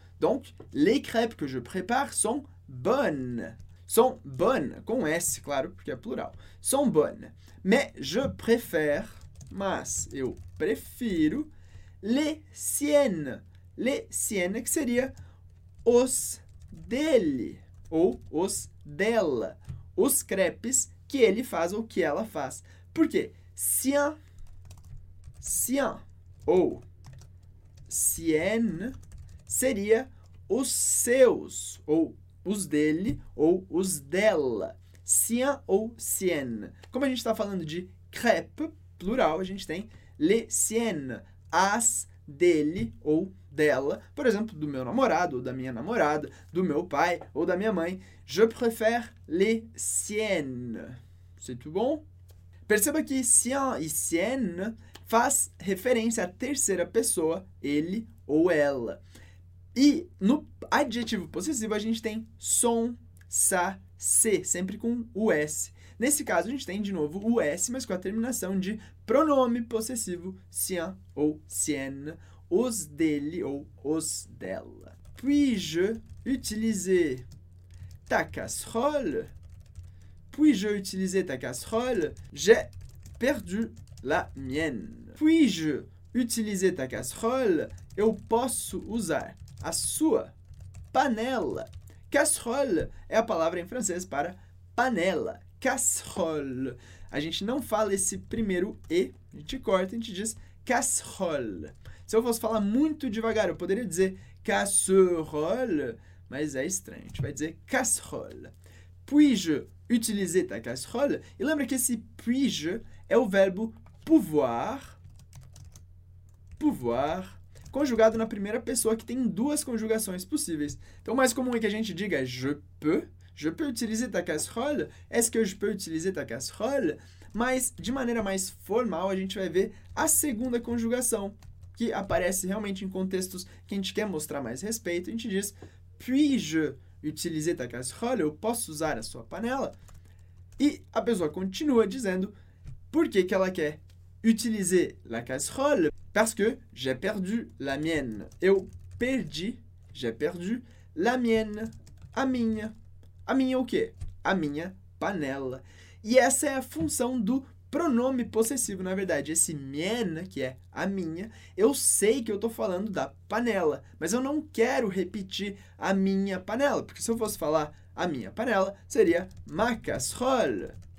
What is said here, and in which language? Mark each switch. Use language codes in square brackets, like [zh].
[fr] Donc, les crêpes que je prépare sont bonnes. Sont bonnes, [pt] com S, claro, porque é plural. Sont bonnes. [fr] Mais je préfère, [pt] mas eu prefiro, [fr] les siennes. Les siennes, [pt] que seria os dele. Ou os dela, os crepes que ele faz ou que ela faz. Por quê? Sien, sien ou sienne seria os seus, ou os dele, ou os dela. Sien ou sienne. Como a gente está falando de crepe, plural, a gente tem [fr] le sienne, [pt] as dele ou dela, por exemplo, do meu namorado ou da minha namorada, do meu pai ou da minha mãe. [fr] Je préfère les siennes. C'est tout bon? [pt] Perceba que sien e sienne faz referência à terceira pessoa, ele ou ela. E no adjetivo possessivo a gente tem son, sa, se, sempre com o s. Nesse caso, a gente tem de novo o s, mas com a terminação de pronome possessivo, sien ou sienne, os dele ou os dela. [fr] Puis-je utiliser ta casserole? Puis-je utiliser ta casserole? J'ai perdu la mienne. Puis-je utiliser ta casserole? [pt] Eu posso usar a sua panela. Casserole é a palavra em francês para panela. Casserole. A gente não fala esse primeiro e, a gente corta, a gente diz casserole. Se eu fosse falar muito devagar, eu poderia dizer casserole, mas é estranho, a gente vai dizer casserole. [fr] Puis-je utiliser ta casserole? [pt] E lembra que esse puis-je é o verbo pouvoir, pouvoir, conjugado na primeira pessoa que tem duas conjugações possíveis. Então, o mais comum é que a gente diga [fr] je peux utiliser ta casserole? Est-ce que je peux utiliser ta casserole? [pt] Mas, de maneira mais formal, a gente vai ver a segunda conjugação, que aparece realmente em contextos que a gente quer mostrar mais respeito. A gente diz [fr] puis-je utiliser ta casserole? [pt] Eu posso usar a sua panela? E a pessoa continua dizendo por que que ela quer [fr] utiliser la casserole? Parce que j'ai perdu la mienne. [pt] Eu perdi, [fr] j'ai perdu la mienne. [pt] A minha. A minha o quê? A minha panela. E essa é a função do pronome possessivo, na verdade. Esse mienne, que é a minha, eu sei que eu estou falando da panela, mas eu não quero repetir a minha panela, porque se eu fosse falar a minha panela, seria [fr] ma casserole.